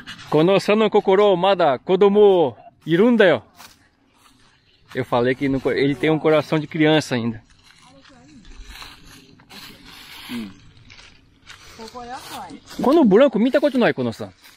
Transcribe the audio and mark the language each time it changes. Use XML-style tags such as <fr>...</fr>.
<ja>このさの心まだ子供いるんだよ。</ja> <pt>Eu falei que no, ele tem um coração de criança ainda.</pt> <ja>このブランコ見たことないこのさ。</ja>